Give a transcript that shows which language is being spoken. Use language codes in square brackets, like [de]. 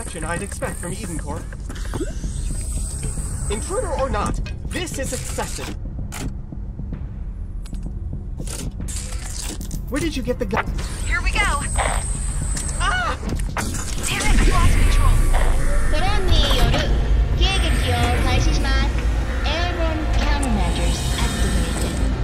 [en] I'd expect from Eden Corp. Intruder or not, this is excessive. Where did you get the gun? Here we go. Ah! Damn it, I lost control. [ja] Drone による迎撃を開始します。 [en] Airborne countermeasures activated.